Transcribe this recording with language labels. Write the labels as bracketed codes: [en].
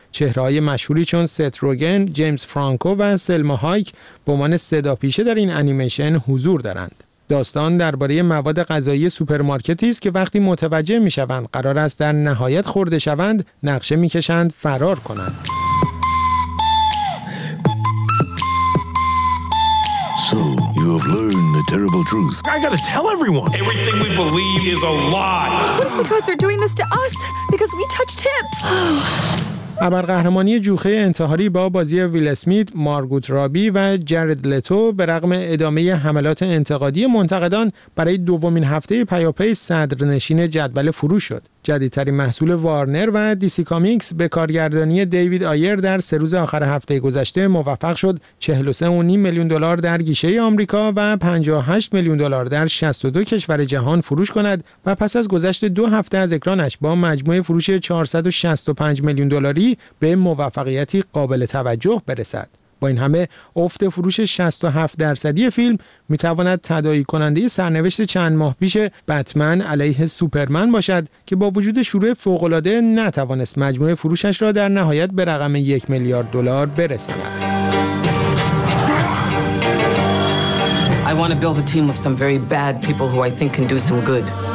[fa] چهره‌های مشهوری چون ست روگن، جیمز فرانکو و سلما هایک به عنوان صداپیشه در این انیمیشن حضور دارند. داستان درباره مواد غذایی سوپرمارکتی است که وقتی متوجه می‌شوند قرار است در نهایت خورده شوند، نقشه می‌کشند فرار کنند. [en] So you have learned the terrible truth. I gotta tell everyone. Everything we believe is a lie. What if the gods are doing this to us because we touched tips? [fa] ابرقهرمانی جوخه انتحاری با بازی ویل اسمیت، مارگوت رابی و جارد لتو به رغم ادامه حملات انتقادی منتقدان برای دومین هفته پیاپی صدرنشین جدول فروش شد. جدیدترین محصول وارنر و دیسی کامیکس به کارگردانی دیوید آیر در سه روز آخر هفته گذشته موفق شد 43.5 میلیون دلار در گیشه آمریکا و 58 میلیون دلار در 62 کشور جهان فروش کند و پس از گذشت دو هفته از اکرانش با مجموعه فروش 465 میلیون دلاری به موفقیتی قابل توجه برسد. با این همه افت فروش 67% فیلم میتواند تداعی کننده سرنوشت چند ماه پیش بتمن علیه سوپرمن باشد که با وجود شروع فوق‌العاده نتوانست مجموعه فروشش را در نهایت به رقم 1 میلیارد دلار برساند. [en] I want to build a team of some very bad people who I think can do some good.